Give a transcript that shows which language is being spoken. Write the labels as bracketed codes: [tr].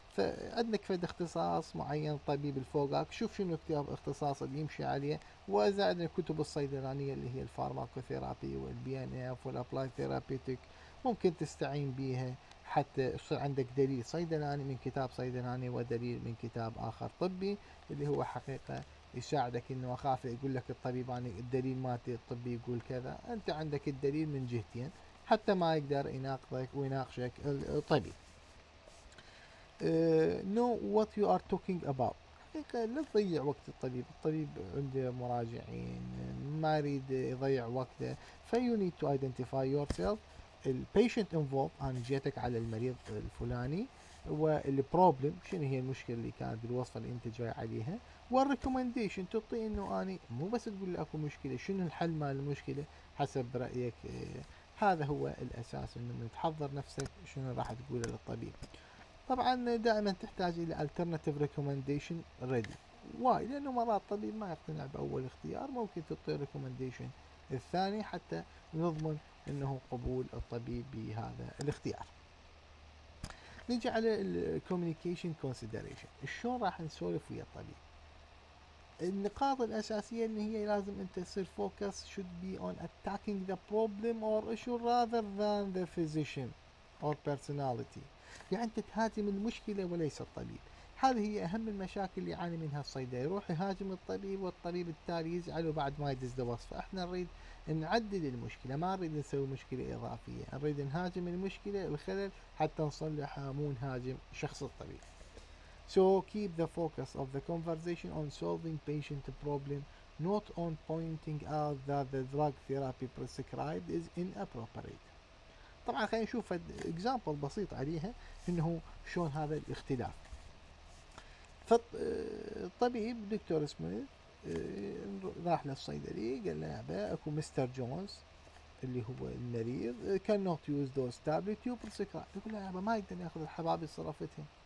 [ar] فعندك فد اختصاص معين طبيب الفوقك، شوف شنو كتاب اختصاص اللي يمشي عليه، وزائد الكتب الصيدلانيه اللي هي الفارماكوثيرابي والبي ان اف والابلاي ثيرابيتيك ممكن تستعين بيها حتى يصير عندك دليل صيدلاني من كتاب صيدلاني ودليل من كتاب اخر طبي، اللي هو حقيقه يساعدك. انه اخاف يقول لك الطبيب انا الدليل مالتي الطبي يقول كذا، انت عندك الدليل من جهتين حتى ما يقدر يناقضك ويناقشك الطبيب. [en] Know what you are talking about. [ar] هيك لا تضيع وقت الطبيب، الطبيب عنده مراجعين ما يريد يضيع وقته. [en] So you need to identify yourself, the patient involved. [ar] أنا جيتك على المريض الفلاني والبروبلم، شنو هي المشكلة اللي كانت بالوصفة اللي أنت جاي عليها، والريكومنديشن تعطي إنه أنا مو بس تقول لي أكو مشكلة، شنو الحل مال المشكلة حسب رأيك. هذا هو الأساس، إنه تحضر نفسك شنو راح تقول للطبيب. طبعا دائما تحتاج الى [en] alternative recommendation ready، [ar] واي لانه مرات الطبيب ما يقتنع باول اختيار، ممكن تعطي recommendation الثاني حتى نضمن انه قبول الطبيب بهذا الاختيار. نيجي على ال [en] communication consideration، [ar] شلون راح نسولف ويا الطبيب. النقاط الاساسيه ان هي لازم انت تصير [en] focus should be on attacking the problem or issue rather than the physician or personality. [ar] يعني انت تهاجم المشكله وليس الطبيب، هذه هي اهم المشاكل اللي يعاني منها الصيدلي، يروح يهاجم الطبيب والطبيب التالي يزعل وبعد ما يدز الوصفه. احنا نريد نعدل المشكله، ما نريد نسوي مشكله اضافيه، نريد نهاجم المشكله الخلل حتى نصلحها، مو نهاجم شخص الطبيب. [en] So keep the focus of the conversation on solving patient problem, not on pointing out that the drug therapy prescribed is inappropriate. [ar] طبعا خلينا نشوف اكزامبل بسيط عليها انه شلون هذا الاختلاف. فالطبيب دكتور سميث راح للصيدلي قال له يابا اكو مستر جونز اللي هو المريض كان [en] not use those tablet you prescribe, [ar] يقول له يابا ما يقدر ياخذ الحبابي صرفتهم.